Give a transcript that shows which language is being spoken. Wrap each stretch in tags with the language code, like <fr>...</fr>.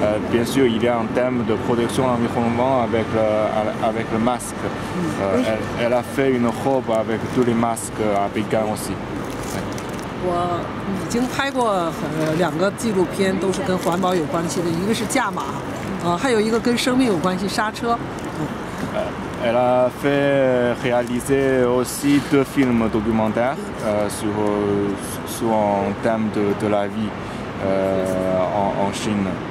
<fr>Bien sûr, il y a un thème de protection de l'environnement avec le masque. Elle a fait une robe avec tous les masques à Pékin aussi.</fr> <zh>我已经拍过两个纪录片，都是跟环保有关系的，一个是驾马，还有一个跟生命有关系，刹车。</zh> <fr>Elle a fait réaliser aussi deux films documentaires sur un thème de la vie en Chine.</fr>